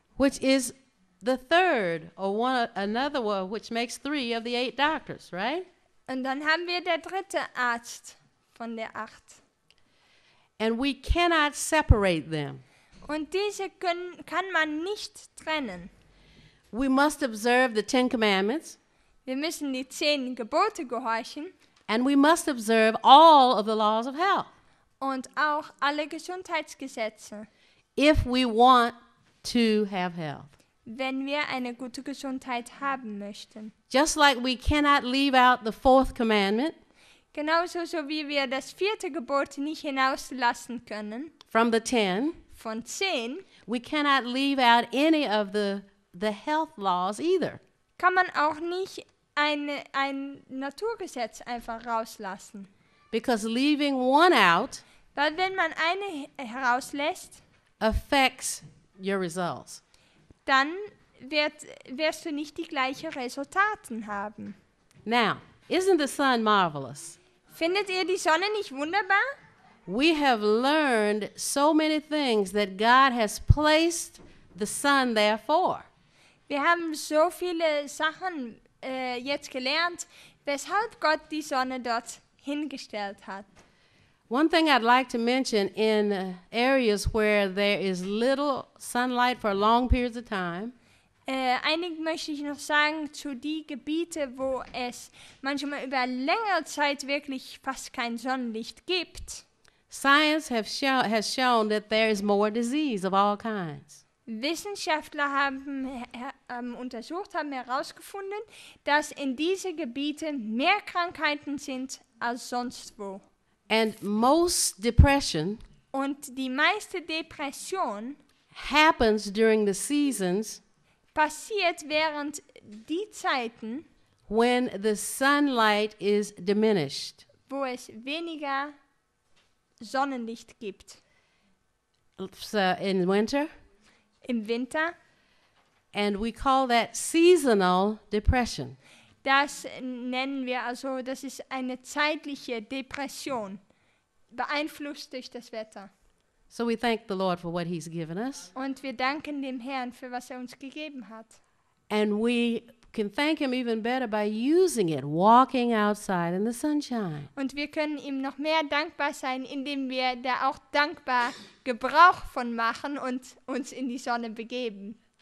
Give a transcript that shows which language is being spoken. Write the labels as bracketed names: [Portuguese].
[English] Which is the third, or one another one, which makes 3 of the 8 doctors, right? [German] Und dann haben wir der dritte Arzt von der 8. [English] And we cannot separate them. [German] Und diese kann man nicht trennen. [English] We must observe the 10 commandments. [German] Wir müssen die 10 Gebote gehorchen. [English] And we must observe all of the laws of health. [German] Und auch alle Gesundheitsgesetze. [English] If we want to have health. [German] Wenn wir eine gute Gesundheit haben möchten. [English] Just like we cannot leave out the 4th commandment. [German] Genauso so wie wir das 4. Gebot nicht hinauslassen können. [English] From the 10. [German] Von 10. [English] We cannot leave out any of the health laws either. [German] Kann man auch nicht ein Naturgesetz einfach rauslassen. [English] Because leaving one out, [German] weil wenn man eine herauslässt, [English] affects your results. [German] Dann wirst du nicht die gleichen Resultate haben. [English] Now, isn't the sun marvelous? [German] Findet ihr die Sonne nicht wunderbar? [English] We have learned so many things that God has placed the sun there for. [German] Wir haben so viele Sachen jetzt gelernt, weshalb Gott die Sonne dort hingestellt hat. [English] One thing I'd like to mention in areas where there is little sunlight for long periods of time. [German] Einig möchte ich noch sagen zu die Gebiete, wo es manchmal über längere Zeit wirklich fast kein Sonnenlicht gibt. [English] Science has shown that there is more disease of all kinds. [German] Wissenschaftler haben herausgefunden, dass in diese Gebiete mehr Krankheiten sind als sonst wo. [English] And most depression, [German] und die meiste Depression [English] happens during the seasons, [German] passiert während die Zeiten, [English] when the sunlight is diminished, [German] wo es weniger Sonnenlicht gibt. [English] So in winter. [German] Im Winter. [English] And we call that seasonal depression. [German] Das nennen wir also, das ist eine zeitliche Depression, beeinflusst durch das Wetter. [English] So we thank the Lord for what he's given us. [German] Und wir danken dem Herrn für was uns gegeben hat. [English] And we can thank him even better by using it, walking outside in the sunshine. [German] Und wir können ihm noch mehr dankbar sein, indem wir da auch dankbar Gebrauch von machen und uns in die Sonne begeben.